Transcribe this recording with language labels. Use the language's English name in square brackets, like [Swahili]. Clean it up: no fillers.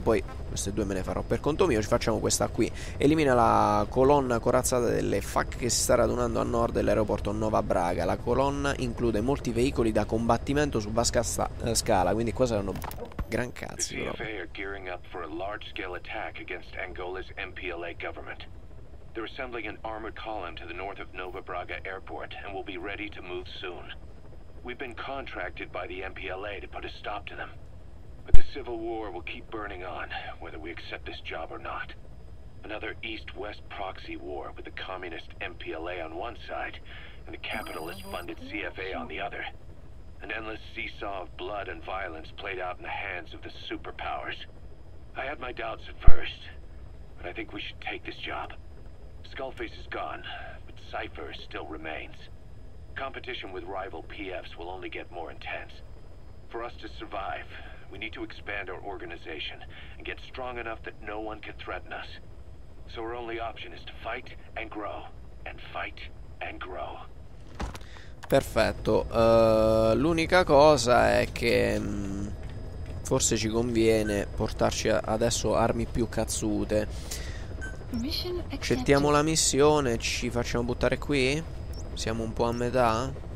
[Italian] Poi queste due me ne farò per conto mio. Ci facciamo questa qui. Elimina la colonna corazzata delle FAC che si sta radunando a nord dell'aeroporto Nova Braga. La colonna include molti veicoli da combattimento su vasca scala, quindi qua saranno gran cazzi proprio. [English] CFA are gearing up for a large-scale attack against Angola's MPLA government. They're assembling an armored column to the north of Nova Braga Airport and will be ready to move soon. We've been contracted by the MPLA to put a stop to them. But the civil war will keep burning on, whether we accept this job or not. Another East-West proxy war with the communist MPLA on one side and the capitalist-funded CFA on the other. An endless seesaw of blood and violence played out in the hands of the superpowers. I had my doubts at first, but I think we should take this job. Skullface is gone, but Cypher still remains. Competition with rival PFs will only get more intense. For us to survive, we need to expand our organization and get strong enough that no one can threaten us. So our only option is to fight and grow, and fight and grow. [Italian] Perfetto, l'unica cosa è che forse ci conviene portarci adesso armi più cazzute. [English] Mission [Italian] Accettiamo la [English] accepted. [Italian] missione, ci facciamo buttare qui? Siamo un po' a metà?